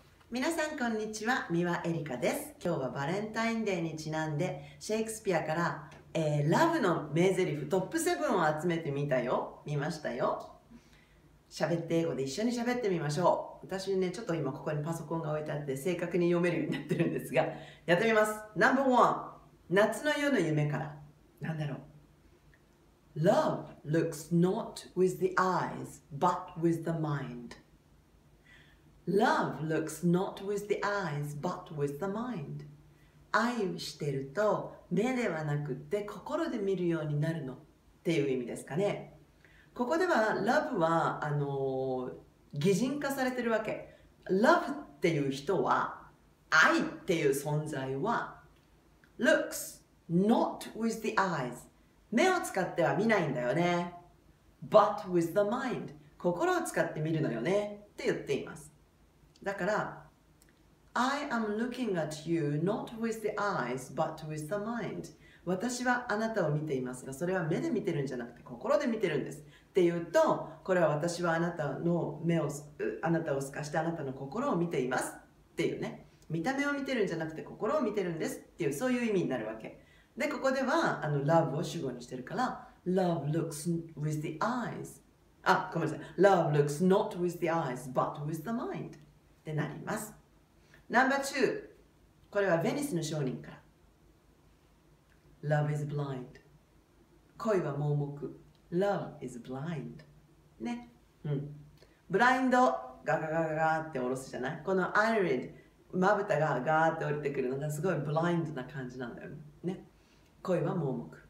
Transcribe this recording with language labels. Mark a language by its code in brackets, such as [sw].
[ja] 皆さんこんにちは、三輪恵里香です。今日はバレンタインデーにちなんでシェイクスピアから、ラブの名台詞トップ7を集めてみたよ、見ましたよ。喋って英語で一緒に喋ってみましょう。私ね、ちょっと今ここにパソコンが置いてあって正確に読めるようになってるんですが、やってみます。 No.1 夏の夜の夢から。なんだろう。 [en] Love looks not with the eyes but with the mindLove looks not with the eyes, but with the mind. [ja] 愛してると目ではなくて心で見るようになるのっていう意味ですかね。ここでは Love は擬人化されてるわけ。 Love っていう人は、愛っていう存在は [en] Looks not with the eyes. [ja] 目を使っては見ないんだよね。 [en] But with the mind. [ja] 心を使って見るのよねって言っています。 [en] だから、I am looking at you not with the eyes but with the mind. [ja] 私はあなたを見ていますが、それは目で見てるんじゃなくて心で見てるんです。っていうと、これは私はあなたの目を、あなたを透かしてあなたの心を見ていますっていうね。見た目を見てるんじゃなくて心を見てるんですっていう、そういう意味になるわけ。で、ここでは、love を主語にしてるから、 [en] love looks with the eyes. [ja] あ、ごめんなさい。 [en] love looks not with the eyes but with the mind. [ja] ってなります。 No.2 これはヴェニスの商人から。 [en] Love is blind. [ja] 恋は盲目。 [en] Love is blind. [ja] ね、うん、ブラインドガガガガガって下ろすじゃない。このアイリッド、まぶたがガーって降りてくるのがすごいブラインドな感じなんだよね。恋は盲目。